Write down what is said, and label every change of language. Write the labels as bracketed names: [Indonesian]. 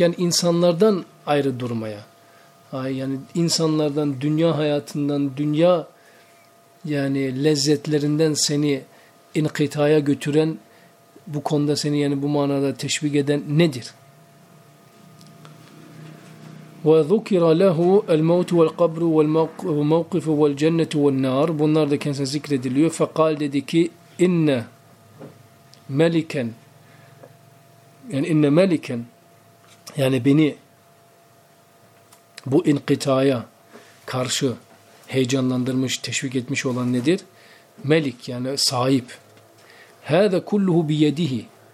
[Turkish] Yani insanlardan ayrı durmaya. Yani insanlardan, dünya hayatından, dünya yani lezzetlerinden seni inkıtaya götüren, bu konuda seni yani bu manada teşvik eden nedir? [Arabic] وَذُكِرَ لَهُ الْمَوْتُ وَالْقَبْرُ وَالْمَوْقِفُ وَالْجَنَّةُ وَالنَّارُ [Turkish] Bunlar da kendisine zikrediliyor. [Arabic] فَقَالْ [Turkish] dedi ki, [Arabic] اِنَّ مَلِكًا [Turkish] Yani inne meliken, yani beni bu inkıtaya karşı heyecanlandırmış, teşvik etmiş olan nedir? Melik, yani sahip. [Arabic] Hâze kulluhu biyedihi.